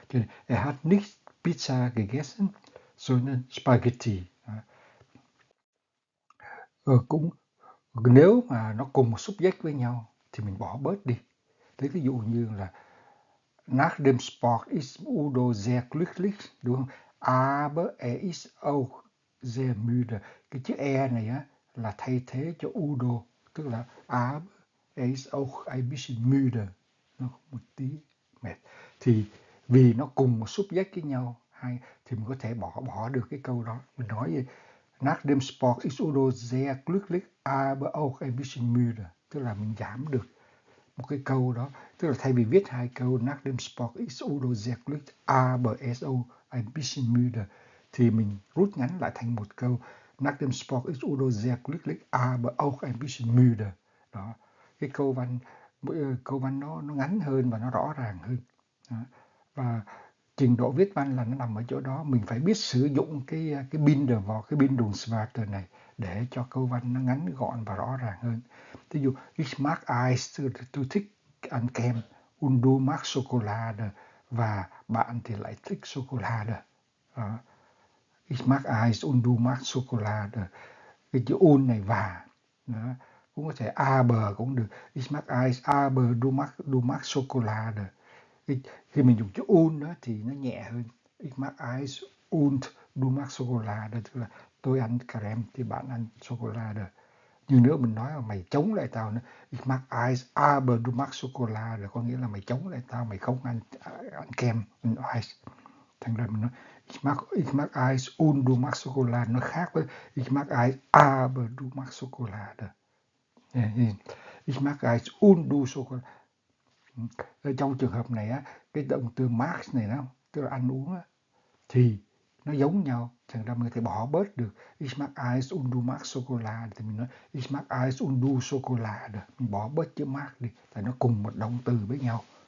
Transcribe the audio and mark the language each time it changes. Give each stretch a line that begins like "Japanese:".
Vietnamese: Cho nên
German: er hat nichts pizza gegessen, sondern spaghetti.
Vietnamese: Cũng nếu mà nó cùng một subject với nhau thì mình bỏ bớt đi. Thế ví dụ như là
German: Nach dem Sport ist Udo sehr glücklich,
Vietnamese: đúng không?
German: Aber er ist auch sehr müde.
Vietnamese: Cái chữ e này á là thay thế cho Udo, tức là
German: Aber er ist auch ein bisschen müde,
Vietnamese: nó một tí mệt. Thì vì nó cùng một xúc giác với nhau hay thì mình có thể bỏ bỏ được cái câu đó. Mình nói gì?
German: Nach dem Sport ist Udo sehr glücklich, aber auch ein bisschen müde.
Vietnamese: Tức là mình giảm được một cái câu đó. Tức là thay vì viết hai câu
German: Nach dem Sport ist Udo sehr glücklich, aber so ein bisschen müde,
Vietnamese: thì mình rút ngắn lại thành một câu
German: Nach dem Sport ist Udo sehr glücklich, aber auch ein bisschen müde.
Vietnamese: Đó. Cái câu văn nó ngắn hơn và nó rõ ràng hơn. Đó. Và trình độ viết văn là nó nằm ở chỗ đó, mình phải biết sử dụng cái Bindervorter, cái Bindungswörter này để cho câu văn nó ngắn gọn và rõ ràng hơn. Ví dụ
German: ich mag Eis,
Vietnamese: tôi thích ăn kem,
German: und du magst Schokolade,
Vietnamese: và bạn thì lại thích Schokolade. Đó.
German: Ich mag Eis, und du magst Schokolade.
Vietnamese: Cái chữ und này và. Đó. Cũng có thể aber cũng được.
German: Ich mag Eis, aber du magst Schokolade.
Vietnamese: Khi mình dùng chữ und đó thì nó nhẹ hơn.
German: Ich mag Eis und du magst Schokolade.
Vietnamese: Tức là tôi ăn kem thì bạn ăn Schokolade. Như nữa mình nói là mày chống lại tao nữa.
German: Ich mag Eis, aber du magst Schokolade.
Vietnamese: Có nghĩa là mày chống lại tao, mày không ăn kem, ăn Eis. Thành ra mình nói
German: Ich mag Eis und du magst Schokolade.
Vietnamese: Nó khác với
German: Ich mag Eis, aber du magst Schokolade. Ich mag Eis und du Schokolade.
Vietnamese: Ở trong trường hợp này á, cái động từ max này nó tức là ăn uống á, thì nó giống nhau, thành ra mình có thể bỏ bớt được
German: ich mag Eis und du magst Schokolade,
Vietnamese: thì mình nói
German: ich mag Eis und du Schokolade,
Vietnamese: mình bỏ bớt chữ max đi, tại nó cùng một động từ với nhau.